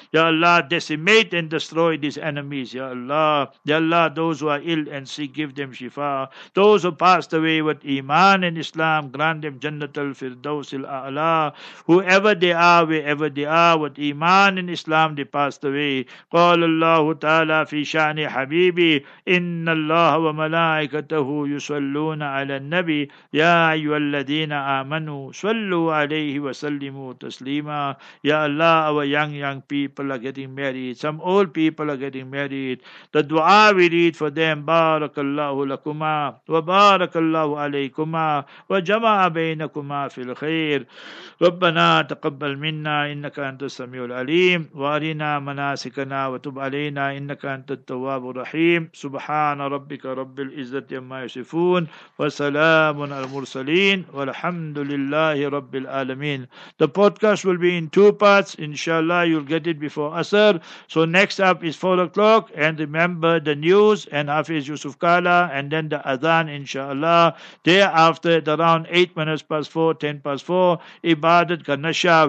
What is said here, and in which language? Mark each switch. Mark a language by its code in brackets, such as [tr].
[en] Ya Allah, decimate and destroy these enemies, ya Allah. Ya Allah, those who are ill and sick, give them shifa. Those who passed away with Iman and Islam, grant them Jannatul Firdaus al-A'la. Whoever they are, wherever they are, with Iman and Islam, they passed away. [ar] قال الله تعالى في شأن حبيبي إن الله وملائكته يصلون على النبي يا أيها الذين آمنوا صلوا عليه وسلموا تسليما. يا الله, [en] our young people are getting married, some old people are getting married. The dua we read for them, [ar] بارك الله لكما وبارك الله عليكما وجمع بينكما في الخير. ربنا تقبل منا إنك أنت السميع العليم وارنا مناسكنا وتب علينا إنك أنت التواب الرحيم. سبحان ربك رب العزة عما يصفون وسلام على المرسلين والحمد لله رب العالمين. [en] The podcast will be in two parts. Inshallah, you'll get it before Asr. So next up is 4 o'clock, and remember the news and Hafiz Yusuf Kala, and then the Adhan inshallah. Thereafter at around 4:10, Ibadat Ganasha.